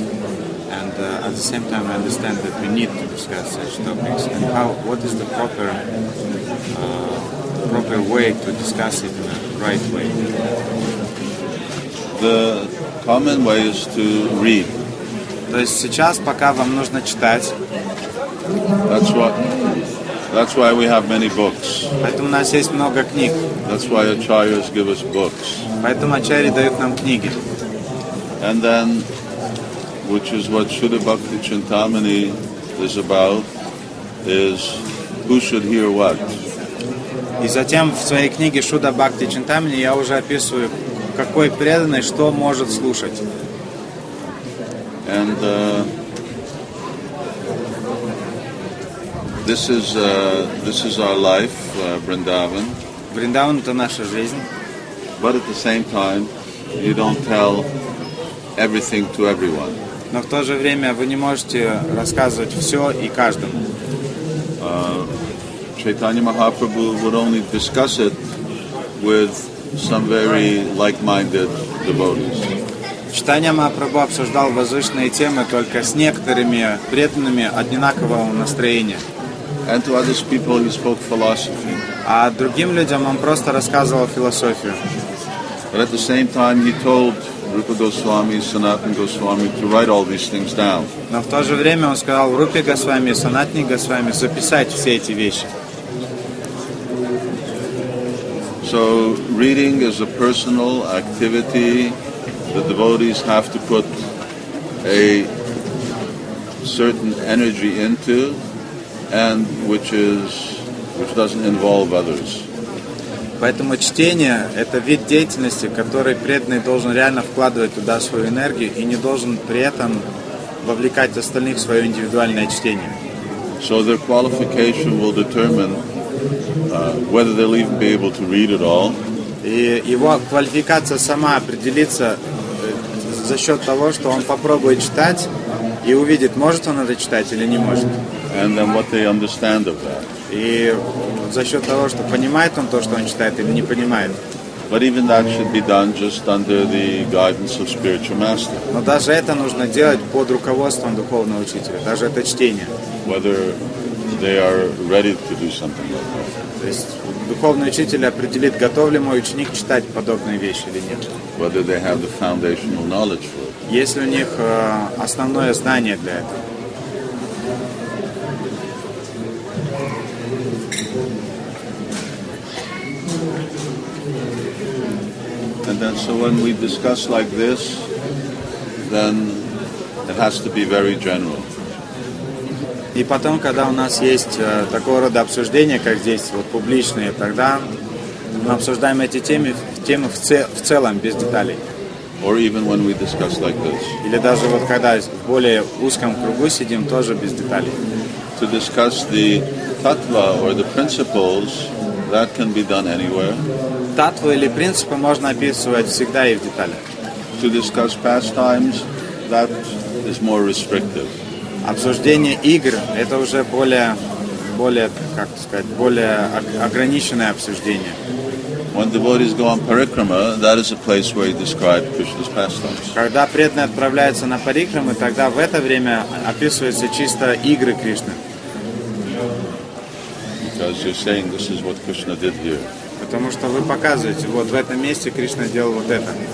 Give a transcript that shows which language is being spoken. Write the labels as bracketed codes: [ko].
[en] And at the same time, I understand that we need to discuss such topics. And what is the proper way to discuss it in a right way? The common way is to read. [ru] То есть сейчас пока вам нужно читать. [en] That's why we have many books. [ru] Поэтому у нас есть много книг. [en] That's why acharyas give us books. [ru] Поэтому ачарьи дают нам книги. [en] And then, which is what Shuddha Bhakti Chintamani is about, is who should hear what. [ru] И затем в своей книге Shuddha Bhakti Chintamani я уже описываю, какой преданный что может слушать. [en] And This is our life, Vrindavan. [ru] Vrindavan – это наша жизнь. [en] But at the same time, you don't tell everything to everyone. [ru] Но в то же время вы не можете рассказывать все и каждому. [en] Chaitanya Mahaprabhu would only discuss it with some very like-minded devotees. [ru] Чайтанья Махапрабху обсуждал возвышенные темы только с некоторыми преданными одинакового настроения. [en] And to other people, he spoke philosophy. [ru] А другим людям он просто рассказывал философию. [en] But at the same time, he told Rupa Goswami, Sanatana Goswami to write all these things down. [ru] Но в то же время он сказал Рупе Госвами, Санатане Госвами записать все эти вещи. [en] So reading is a personal activity. The devotees have to put a certain energy into. And which doesn't involve others. [ru] Поэтому чтение – это вид деятельности, который преданный должен реально вкладывать туда свою энергию и не должен при этом вовлекать остальных в свое индивидуальное чтение. [en] So their qualification will determine whether they'll even be able to read it all. [ru] И его квалификация сама определится за счет того, что он попробует читать и увидит, может он это читать или не может. [en] And then what they understand of that. [ru] И за счет того, что понимает он то, что он читает, или не понимает. [en] But even that should be done just under the guidance of spiritual master. [ru] Но даже это нужно делать под руководством духовного учителя, даже это чтение. [en] Whether they are ready to do something like that. [ru] То есть духовный учитель определит, готов ли мой ученик читать подобные вещи или нет. [en] Whether they have the foundational knowledge for it. [ru] Есть ли у них основное знание для этого? [en] And so when we discuss like this, then it has to be very general. [ru] И потом, когда у нас есть такого рода обсуждения, как здесь, вот публичные, тогда мы обсуждаем эти темы в целом, без деталей. [en] Or even when we discuss like this. [ru] Или даже вот когда в более узком кругу сидим, тоже без деталей. [en] To discuss the tattva or the principles, that can be done anywhere. [ru] Tattva или принципы можно описывать всегда и в деталях. [en] To discuss pastimes, that is more restrictive. [ru] Обсуждение игр – это уже более, как сказать, более ограниченное обсуждение. [en] When devotees go on parikrama, that is a place where he describes Krishna's pastimes. [ru] Когда преданный отправляется на парикраму, тогда в это время описываются чисто игры Кришны. [en] Because you're saying this is what Krishna did here. [ru] Потому что вы показываете, вот в этом месте Кришна делал вот это.